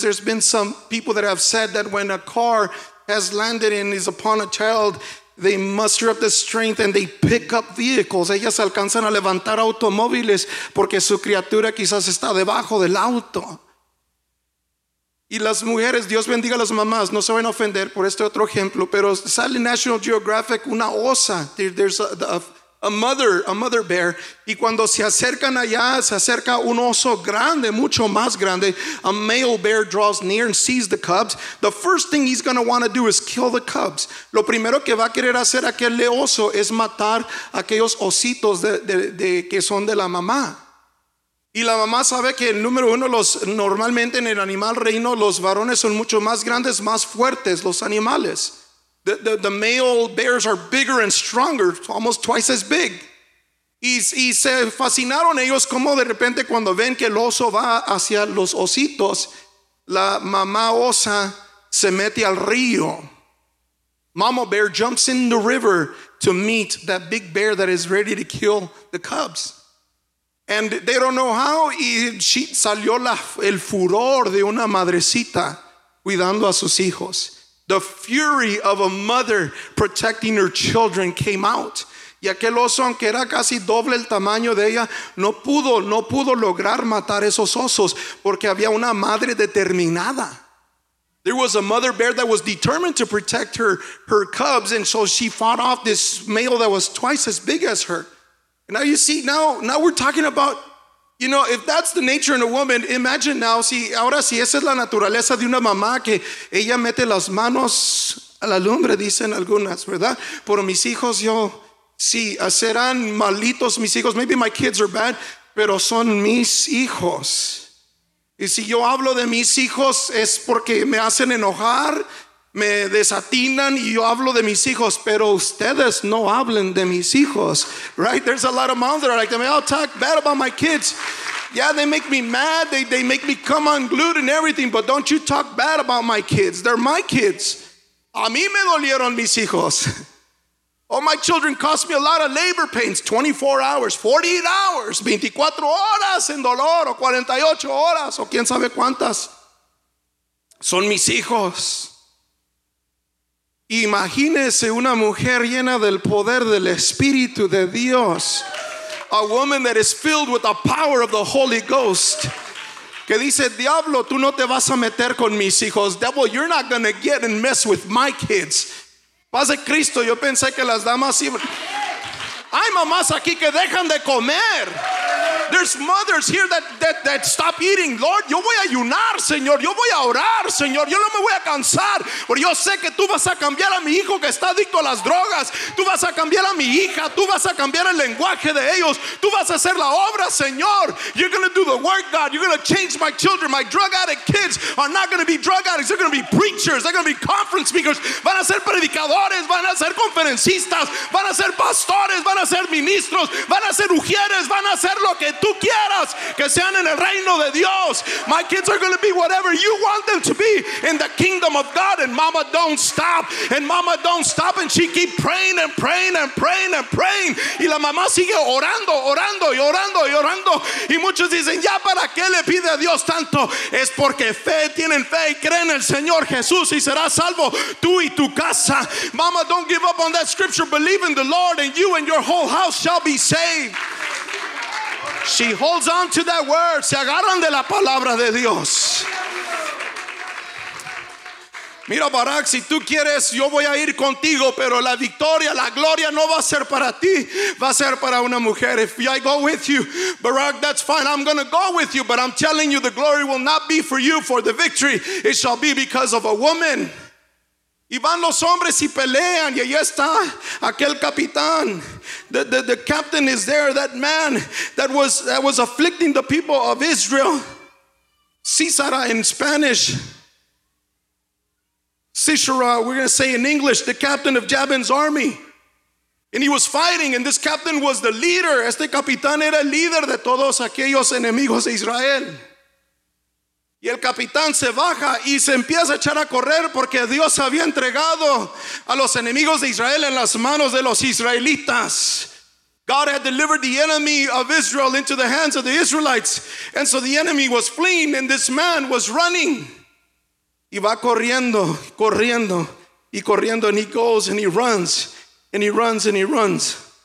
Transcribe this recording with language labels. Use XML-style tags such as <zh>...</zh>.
<en>There's been some people that have said that when a car has landed and is upon a child, they muster up the strength and they pick up vehicles.</en> <es>Ellas alcanzan a levantar automóviles porque su criatura quizás está debajo del auto. Y las mujeres, Dios bendiga a las mamás, no se van a ofender por este otro ejemplo, pero sale National Geographic una osa.</es> <en>There's a mother bear.</en> <es>Y cuando se acercan allá, se acerca un oso grande, mucho más grande.</es> <en>A male bear draws near and sees the cubs. The first thing he's going to want to do is kill the cubs.</en> <es>Lo primero que va a querer hacer aquel oso es matar aquellos ositos de que son de la mamá. Y la mamá sabe que el número uno, normalmente en el animal reino, los varones son mucho más grandes, más fuertes, los animales.</es> <en>The male bears are bigger and stronger, almost twice as big.</en> <es>Y se fascinaron ellos como de repente cuando ven que el oso va hacia los ositos, la mamá osa se mete al río.</es> <en>Mama bear jumps in the river to meet that big bear that is ready to kill the cubs. And they don't know how,</en> <es>y salió el furor de una madrecita cuidando a sus hijos.</es> <en>The fury of a mother protecting her children came out.</en> <es>Y aquel oso, aunque era casi doble el tamaño de ella, no pudo lograr matar esos osos porque había una madre determinada.</es> <en>There was a mother bear that was determined to protect her cubs, and so she fought off this male that was twice as big as her. Now you see, now we're talking about, you know, if that's the nature in a woman, imagine now,</en> <es>si esa es la naturaleza de una mamá, que ella mete las manos a la lumbre, dicen algunas, ¿verdad? Por mis hijos, yo, sí, serán malitos mis hijos.</es> <en>Maybe my kids are bad,</en> <es>pero son mis hijos. Y si yo hablo de mis hijos, es porque me hacen enojar, me desatinan, y yo hablo de mis hijos, pero ustedes no hablen de mis hijos,</es> <en>right? There's a lot of moms that are like, they all talk bad about my kids. Yeah, they make me mad. They make me come unglued and everything, but don't you talk bad about my kids. They're my kids.</en> <es>A mí me dolieron mis hijos.</es> <en>Oh, my children cost me a lot of labor pains, 24 hours, 48 hours,</en> <es>24 horas en dolor, o 48 horas, o quién sabe cuántas. Son mis hijos. Imagínese una mujer llena del poder del Espíritu de Dios.</es> <en>A woman that is filled with the power of the Holy Ghost.</en> <es>Que dice, diablo, tú no te vas a meter con mis hijos.</es> <en>Devil, you're not going to get and mess with my kids.</en> <es>Paz de Cristo, yo pensé que las damas iban. Hay mamás aquí que dejan de comer.</es> <en>There's mothers here that stop eating. Lord,</en> <es>yo voy a ayunar, Señor. Yo voy a orar, Señor. Yo no me voy a cansar. Porque yo sé que tú vas a cambiar a mi hijo que está adicto a las drogas. Tú vas a cambiar a mi hija. Tú vas a cambiar el lenguaje de ellos. Tú vas a hacer la obra, Señor.</es> <en>You're going to do the work, God. You're going to change my children. My drug addict kids are not going to be drug addicts. They're going to be preachers. They're going to be conference speakers.</en> <es>Van a ser predicadores. Van a ser conferencistas. Van a ser pastores. Van a ser ministros. Van a ser ujieres. Van a ser lo que tú quieras que sean en el reino de Dios.</es> <en>My kids are going to be whatever you want them to be in the kingdom of God. And mama don't stop, and mama don't stop, and she keep praying and praying and praying and praying.</en> <es>Y la mamá sigue orando, orando y orando y orando. Y muchos dicen, ya para qué le pide a Dios tanto. Es porque fe, tienen fe y creen en el Señor Jesús, y serás salvo tú y tu casa.</es> <en>Mama, don't give up on that scripture. Believe in the Lord and you and your whole house shall be saved. She holds on to that word.</en> <es>Se agarran de la palabra de Dios. Mira, Barak, si tú quieres, yo voy a ir contigo, pero la victoria, la gloria no va a ser para ti, va a ser para una mujer.</es> <en>If I go with you, Barak, that's fine. I'm going to go with you, but I'm telling you, the glory will not be for you, for the victory, it shall be because of a woman.</en> <es>Y van los hombres y pelean, y allá está aquel capitán.</es> <en>The captain is there, that man that was afflicting the people of Israel. Cisara in Spanish. Cisara, we're going to say in English, the captain of Jabin's army. And he was fighting, and this captain was the leader.</en> <es>Este capitán era el líder de todos aquellos enemigos de Israel. Y el capitán se baja y se empieza a echar a correr porque Dios había entregado a los enemigos de Israel en las manos de los israelitas.</es> <en>God had delivered the enemy of Israel into the hands of the Israelites. And so the enemy was fleeing and this man was running.</en> <es>Y va corriendo, corriendo y corriendo,</es> <en>and he goes and he runs and he runs and he runs.</en>